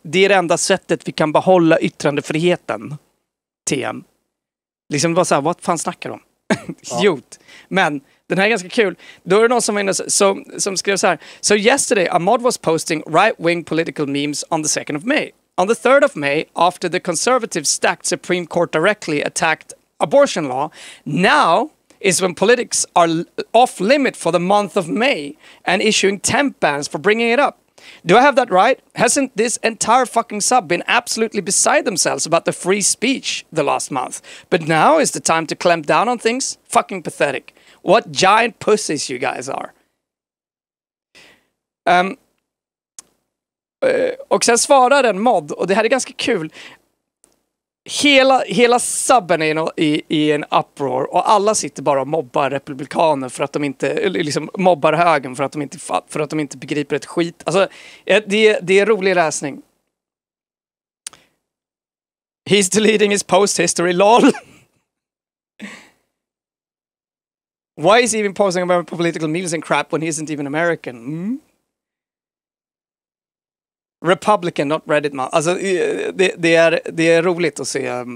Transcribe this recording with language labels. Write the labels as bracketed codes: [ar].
[sv] Det är det enda sättet vi kan behålla yttrandefriheten. TM. Liksom bara så här, vad fan snackar de? Jo. Men den här är ganska kul. Då är det någon som skrev så här. [en] So yesterday, Ahmad was posting right-wing political memes on the 2nd of May. On the 3rd of May, after the conservative stacked Supreme Court directly attacked abortion law, now is when politics are off-limit for the month of May and issuing temp bans for bringing it up. Do I have that right? Hasn't this entire fucking sub been absolutely beside themselves about the free speech the last month? But now is the time to clamp down on things? Fucking pathetic. What giant pussies you guys are. [sv] Och sen svarar en mod, och det här är ganska kul. Hela subben är i en uproar, och alla sitter bara och mobbar republikaner för att de inte liksom mobbar högern för att de inte begriper ett skit. Alltså det är en rolig läsning. [en] He's deleting his post history, lol. Why is he even posting about political memes and crap when he isn't even American? Republican, not Reddit man. [sv] Alltså, det är roligt att se.